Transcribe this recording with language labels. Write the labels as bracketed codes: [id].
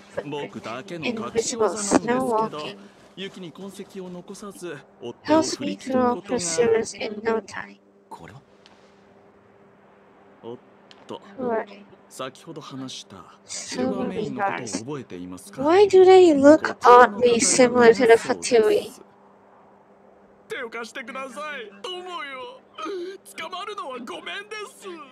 [ja] 僕だけの隠し技なんですけど、雪に痕跡を残さず追って振り切ることが。これは。おっと。先ほど話したシルバーメインのことを覚えていますか？ [en] Why do they look oddly similar to the Fatui? [ja] 手を貸してください、友よ。捕まるのはごめんです。